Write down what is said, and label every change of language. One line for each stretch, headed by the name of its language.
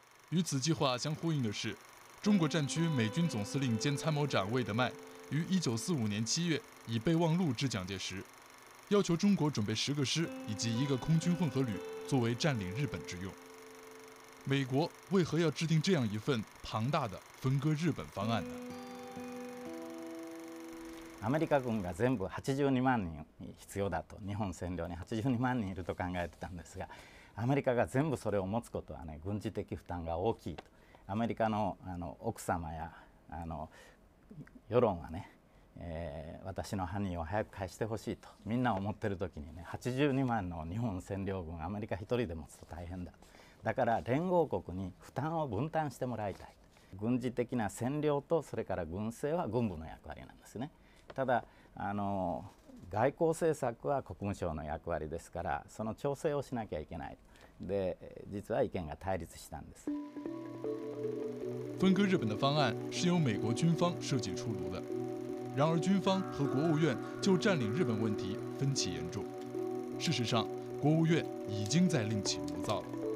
Chinese: 与此计划相呼应的是，中国战区美军总司令兼参谋长魏德迈于1945年7月以备忘录致蒋介石，要求中国准备10个师以及1个空军混合旅作为占领日本之用。美国为何要制定这样一份庞大的分割日本方案呢？
Japanese: アメリカ軍が全部82万人必要だと、日本占領に82万人いると考えてたんですが、アメリカが全部それを持つことはね、軍事的負担が大きいと。アメリカ の奥様や世論はね、私のハニーを早く返してほしいとみんな思ってる時にね、82万の日本占領軍アメリカ一人で持つと大変だと。だから連合国に負担を分担してもらいたい。軍事的な占領とそれから軍政は軍部の役割なんですね。ただ外交政策は国務省の役割ですから、その調整をしなきゃいけない。で、実は意見が対立したんです。
Chinese: 分割日本的方案是由美国军方设计出炉的，然而军方和国务院就占领日本问题分歧严重。事实上，国务院已经在另起炉灶了。